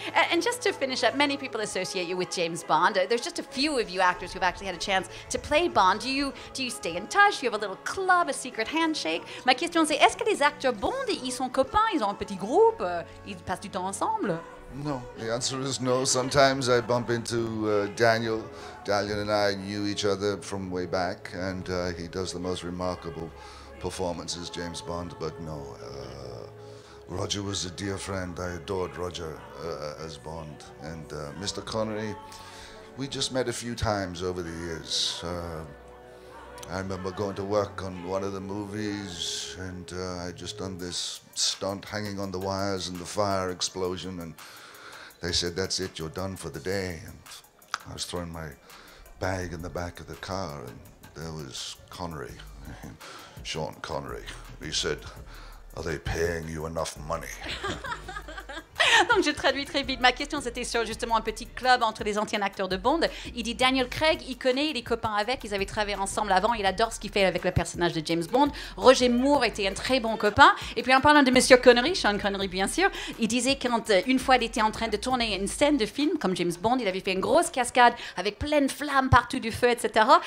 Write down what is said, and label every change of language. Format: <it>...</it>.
<en>And just to finish up, many people associate you with James Bond. There's just a few of you actors who've actually had a chance to play Bond. Do you stay in touch? Do you have a little club, a secret handshake? My question</en> <fr>c'est, est-ce que les acteurs Bond, ils sont copains, ils ont un petit groupe, ils passent du temps ensemble?</fr> <en>No, the answer is no. Sometimes I bump into Daniel. Dalian and I knew each other from way back, and he does the most remarkable performances, James Bond, but no. Roger was a dear friend. I adored Roger as Bond. And Mr. Connery, we just met a few times over the years. I remember going to work on one of the movies, and I'd just done this stunt hanging on the wires and the fire explosion, and they said, that's it, you're done for the day. And I was throwing my bag in the back of the car, and there was Connery, Sean Connery. He said, are they paying you enough money?</en> <fr>Donc je traduis très vite. Ma question c'était sur justement un petit club entre les anciens acteurs de Bond. Il dit Daniel Craig, il connaît, il est copain avec, ils avaient travaillé ensemble avant, il adore ce qu'il fait avec le personnage de James Bond. Roger Moore était un très bon copain. Et puis en parlant de Monsieur Connery, Sean Connery bien sûr, il disait quand une fois il était en train de tourner une scène de film comme James Bond, il avait fait une grosse cascade avec pleine flamme partout du feu, etc.</fr>